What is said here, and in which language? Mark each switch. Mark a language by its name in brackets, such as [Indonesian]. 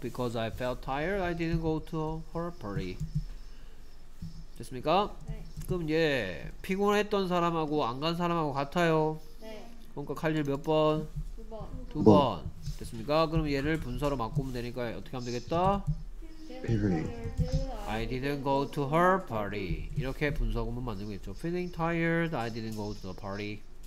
[English] Because I felt tired, I didn't go to her party. [Korean] 됐습니까? 네. 그럼 얘 예, 피곤했던 사람하고 안 간 사람하고 같아요. 네. 그러니까 칼질 몇 번? 두 번. 됐습니까? 그럼 얘를 분사로 바꾸면 되니까 어떻게 하면 되겠다? [English] Feeling I didn't go to her party. [Korean] 이렇게 분사구문 만들겠죠. [English] Feeling tired, I didn't go to the party.